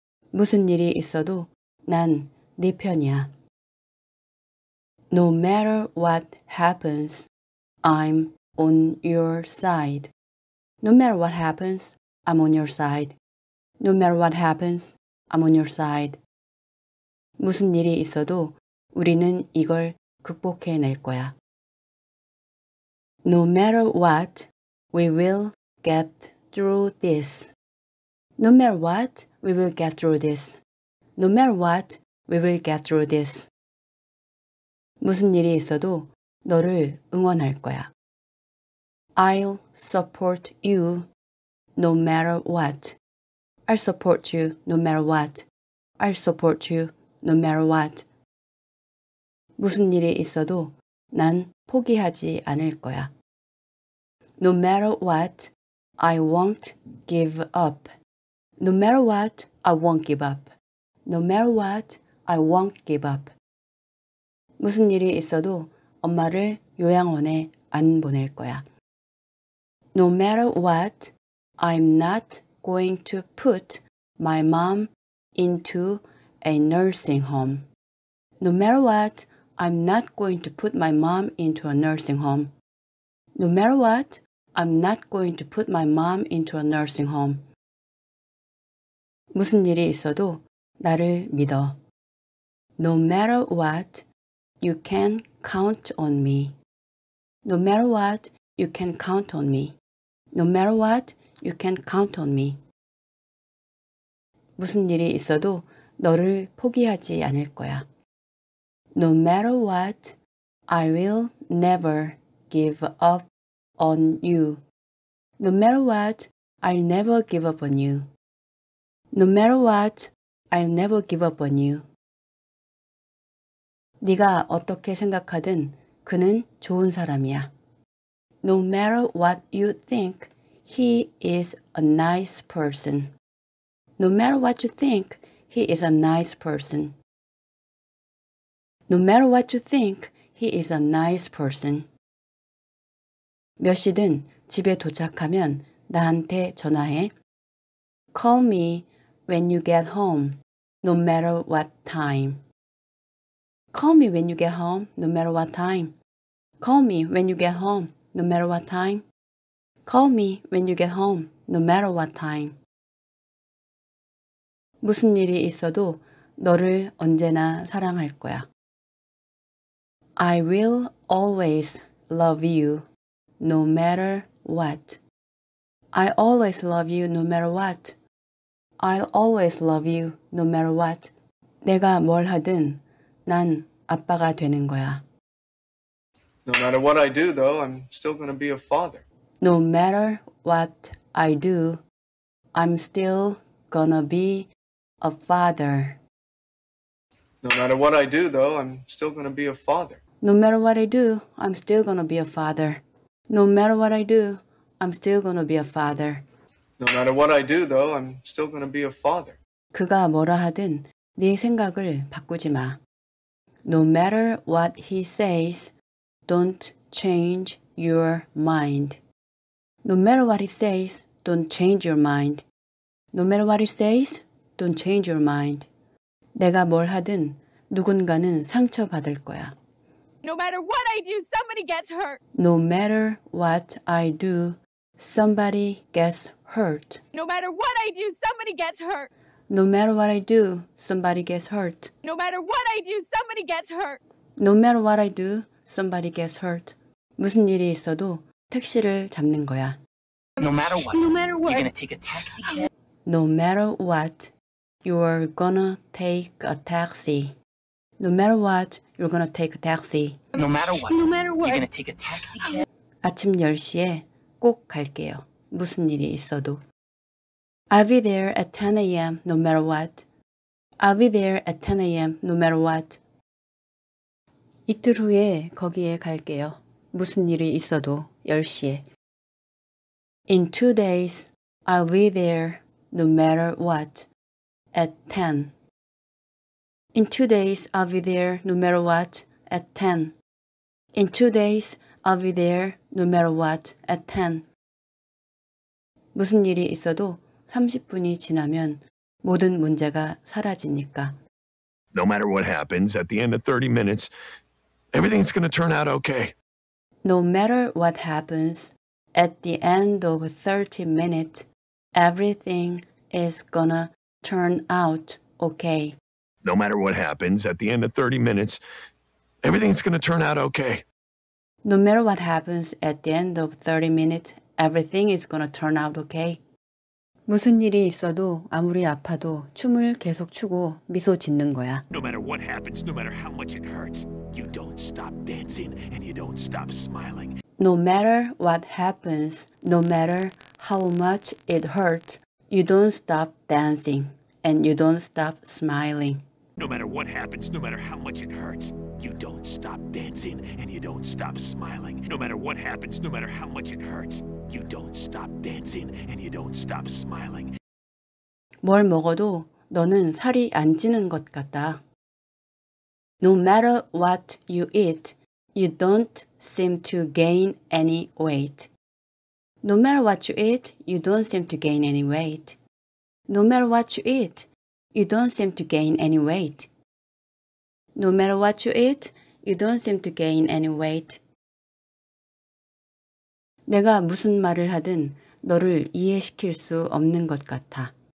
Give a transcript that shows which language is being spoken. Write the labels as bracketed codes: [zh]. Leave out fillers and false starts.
[ko] 무슨 일이 있어도 난 네 편이야. [en] No matter what happens, I'm on your side. No matter what happens, I'm on your side. No matter what happens, I'm on your side. [ko] 무슨 일이 있어도 우리는 이걸 극복해 낼 거야. [en] No matter what, we will get through this. No matter what, we will get through this. No matter what, we will get through this. [ko] 무슨 일이 있어도 너를 응원할 거야. [en] I'll support you no matter what. I'll support you no matter what. I'll support you no matter what. [ko] 무슨 일이 있어도 난 포기하지 않을 거야. [en] No matter what, I won't give up. No matter what, I won't give up. No matter what, I won't give up. [ko] 무슨 일이 있어도 엄마를 요양원에 안 보낼 거야. [en] No matter what, I'm not going to put my mom into a nursing home. No matter what, I'm not going to put my mom into a nursing home. No matter what, I'm not going to put my mom into a nursing home. [ko] 무슨 일이 있어도 나를 믿어. [en] No matter what, You can count on me. No matter what, you can count on me. No matter what, you can count on me. [ko] 무슨 일이 있어도 너를 포기하지 않을 거야. [en] No matter what, I will never give up on you. No matter what, I'll never give up on you. No matter what, I'll never give up on you. [ko] 네가 어떻게 생각하든 그는 좋은 사람이야. [en] No matter what you think, he is a nice person. No matter what you think, he is a nice person. No matter what you think, he is a nice person. [ko] 몇 시든 집에 도착하면 나한테 전화해. [en] Call me when you get home, no matter what time. Call me when you get home, no matter what time. Call me when you get home, no matter what time. Call me when you get home, no matter what time. [ko] 무슨 일이 있어도 너를 언제나 사랑할 거야. [en] I will always love you, no matter what. I always love you, no matter what. I'll always love you, no matter what. [ko] 내가 뭘 하든 난 아빠가 되는 거야. [en] No matter what I do, though, I'm still going to be a father. No matter what I do, I'm still going to be a father. No matter what I do, though, I'm still going to be a father. No matter what I do, I'm still going to be a father. No matter what I do, I'm still going to be a father. No matter what I do, though, I'm still going to be a father. [ko] 그가 뭐라 하든 네 생각을 바꾸지 마. [en] No matter what he says, don't change your mind. No matter what he says, don't change your mind. No matter what he says, don't change your mind. [ko] 내가 뭘 하든 누군가는 상처받을 거야. [en] No matter what I do, somebody gets hurt. No matter what I do, somebody gets hurt. No matter what I do, somebody gets hurt. No matter what I do, somebody gets hurt. No matter what I do, somebody gets hurt. No matter what I do, somebody gets hurt. [ko] 무슨 일이 있어도 택시를 잡는 거야. [en] No matter what. No matter what. You're gonna take a taxi. No matter what, you're gonna take a taxi. No matter what, you're gonna take a taxi. No matter what. No matter what. You're gonna take a taxi. [ko] 아침 10시에 꼭 갈게요. 무슨 일이 있어도. [en] I'll be there at 10 a.m. no matter what. I'll be there at 10 a.m. no matter what. [ko] 이틀 후에 거기에 갈게요. 무슨 일이 있어도 10시에. [en] In 2 days, I'll be there no matter what at 10. In 2 days, I'll be there no matter what at 10. In 2 days, I'll be there no matter what at 10. [ko] 무슨 일이 있어도 30분이 지나면 모든 문제가 사라지니까. [en] No matter what happens, at the end of 30 minutes, everything's going to turn out okay. No matter what happens, at the end of 30 minutes, everything is going to turn out okay. No matter what happens, at the end of 30 minutes, everything's going to turn out okay. No matter what happens, at the end of 30 minutes, everything is going to turn out okay. [ko] 무슨 일이 있어도 아무리 아파도 춤을 계속 추고 미소 짓는 거야. [en] No matter what happens, no matter how much it hurts, you don't stop dancing and you don't stop smiling. No matter what happens, no matter how much it hurts, you don't stop dancing and you don't stop smiling. No matter what happens, no matter how much it hurts, you don't stop dancing and you don't stop smiling. No matter what happens, no matter how much it hurts, you don't stop dancing and you don't stop smiling. [ko] 뭘 먹어도 너는 살이 안 찌는 것 같다. [en] No matter what you eat, you don't seem to gain any weight. No matter what you eat, you don't seem to gain any weight. No matter what you eat, you don't seem to gain any weight. No matter what you eat, you don't seem to gain any weight. [ko] 내가 무슨 말을 하든 너를 이해시킬 수 없는 것 같아.